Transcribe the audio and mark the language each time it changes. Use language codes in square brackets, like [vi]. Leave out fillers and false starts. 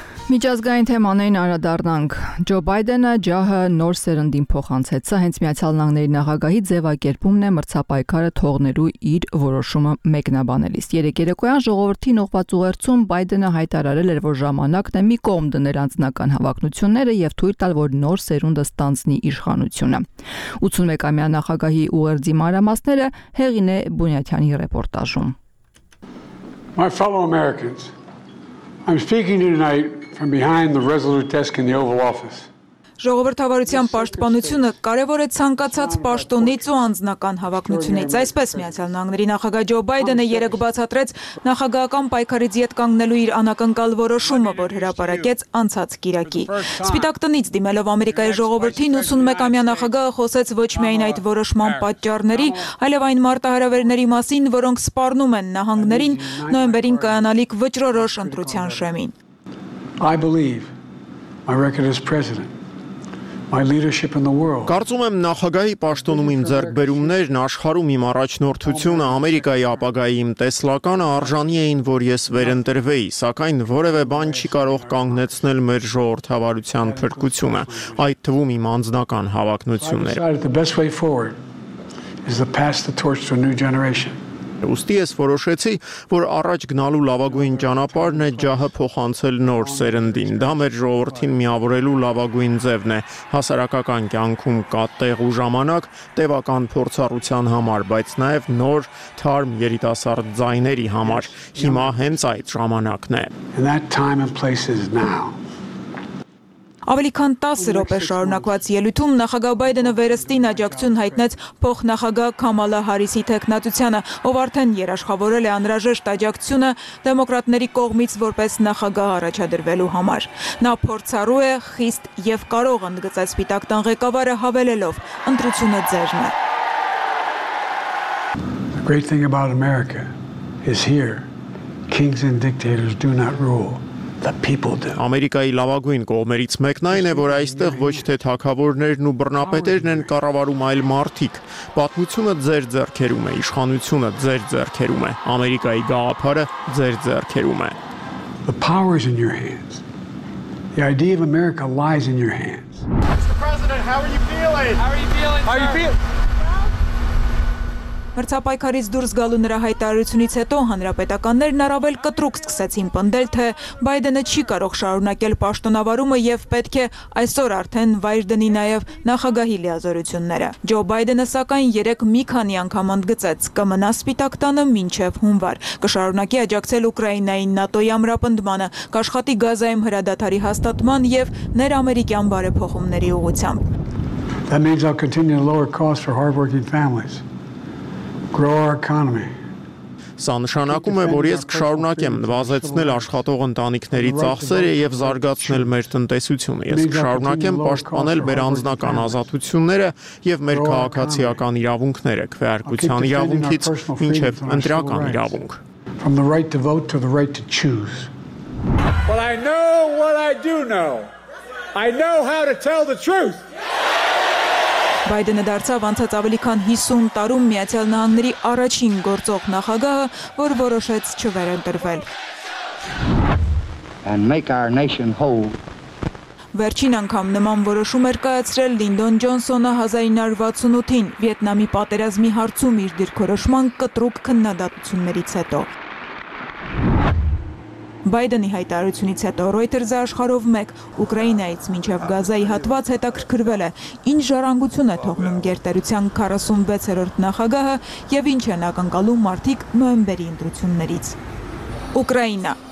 [hy] Միջազգային թեմաներին առադառնանք։ Ջո Բայդենը ջահը նոր սերնդին փոխանցեց։ Սա հենց Միացյալ Նահանգների նախագահի ձևակերպումն է մրցապայքարը թողնելու իր որոշումը մեկնաբանելիս։ Երեկերեկոյան ժողովրդին ուղված ուղերձում Բայդենը հայտարարել էր, որ ժամանակն է մի կողմ դնել անձնական հավակնությունները և թույլ տալ, որ նոր սերունդը ստանձնի իշխանությունը։ 81-ամյա նախագահի ուղերձի մանրամասները Հեղինե Բունյատյանի ռեպորտաժում։ [en] My fellow Americans, I'm speaking tonight from behind the Resolute desk in the Oval Office. [hy] Ժողովրդավարության պաշտպանությունը կարևոր է ցանկացած պաշտոնից ու անձնական հավակնությունից։ Այսպես Միացյալ Նահանգների նախագահ Ջո Բայդենը երեկ բացատրեց նախագահական պայքարից ետ կանգնելու իր անակնկալ որոշումը, որ հրապարակեց անցած կիրակի։ Սպիտակ տնից դիմելով Ամերիկայի ժողովրդին 81-ամյա նախագահը խոսեց ոչ միայն այդ որոշման պատճառների, այլև այն մարտահրավերների մասին, որոնք սպառնում են նահանգներին նոյեմբերին կայանալիք վճռորոշ ընտրության շեմին։ [en] I believe my record as president, my leadership in the world. [hy] Կարծում եմ նախագահի պաշտոնում իմ ձեռքբերումներն աշխարհում իմ առաջնորդությունը, Ամերիկայի ապագայի իմ տեսլականը արժանի էին, որ ես վերընտրվեի, սակայն որևէ բան չի կարող կանգնեցնել մեր ժողովրդավարության փրկությունը, այդ թվում իմ անձնական հավակնությունները։ [en] The best way forward is to pass the torch to a new generation. [hy] Ուստի ես որոշեցի, որ առաջ գնալու լավագույն ճանապարհն է ջահը փոխանցել նոր սերնդին։ Դա մեր ժողովրդին միավորելու լավագույն ձևն է հասարակական կյանքում կատեղ ու ժամանակ տևական փորձառության համար, բայց նաև նոր թարմ երիտասարդ ձայների համար։ Հիմա հենց այդ ժամանակն է։ Ավելի քան 10 րոպե շարունակված ելույթում նախագահ Բայդենը վերստին աջակցություն հայտնեց փոխնախագահ Քամալա Հարիսի թեկնածությանը, ով արդեն երաշխավորել է անհրաժեշտ աջակցությունը դեմոկրատների կողմից որպես նախագահ առաջադրվելու համար։ Նա փորձառու է, խիստ եւ կարող ընդգծել Սպիտակ տան ղեկավարը, հավելելով. «Ընտրությունը ձերն է»։ [en] The great thing about America is here. Kings and dictators do not rule. The people do. [hy] Ամերիկայի լավագույն կողմերից մեկն այն է, որ այստեղ ոչ թե թագավորներն ու բռնապետերն են կառավարում, այլ մարդիկ։ Պատմությունը ձեր ձեռքերում է, իշխանությունը ձեր ձեռքերում է, Ամերիկայի գաղափարը ձեր ձեռքերում է։ [en] The power is in your hands. The idea of America lies in your hands. Mr. President, how are you feeling? How are you feeling? How are you feeling? [hy] Մրցապայքարից դուրս գալու նրա հայտարարությունից հետո հանրապետականներն առավել կտրուկ սկսեցին պնդել, թե Բայդենը չի կարող շարունակել պաշտոնավարումը և պետք է այսօր արդեն վայր դնի նաև նախագահի լիազորությունները։ Ջո Բայդենը, սակայն, երեկ մի քանի անգամ ընդգծեց, կմնա Սպիտակ տանը մինչև հունվար, կշարունակի աջակցել Ուկրաինային ՆԱՏՕ-ի ամրապնդմանը, կաշխատի Գազայում հրադադարի հաստատման և ներամերիկյան բարեփոխումների ուղղությամբ։ [en] Grow our economy. [hy] Սա նշանակում է, որ ես կշարունակեմ նվազեցնել աշխատող ընտանիքների ծախսերը և զարգացնել մեր տնտեսությունը։ Ես կշարունակեմ պաշտպանել մեր անձնական ազատությունները և մեր քաղաքացիական իրավունքները, քվեարկության իրավունքից մինչև ընտրական իրավունք։ [en] From the right to vote to the right to choose. Well, I know what I do know. I know how to tell the truth. [hy] Բայդենը դարձավ անցած ավելի քան 50 տարում Միացյալ Նահանգների առաջին գործող նախագահը, որ որոշեց չվերընտրվել։ [en] And make our nation whole. [hy] Վերջին անգամ նման որոշում էր կայացրել Լինդոն Ջոնսոնը 1968-ին Վիետնամի պատերազմի հարցում իր դիրքորոշման կտրուկ քննադատություններից հետո։ Բայդենի հայտարարությունից հետո Reuters-ը աշխարհով 1 Ուկրաինայից մինչև Գազայի հատված հետաքրքրվել է, ինչ ժառանգություն է թողնում գերտերության 46-րդ նախագահը և ինչ են ակնկալում մարդիկ նոյեմբերի ընտրություններից։ Ուկրաինա.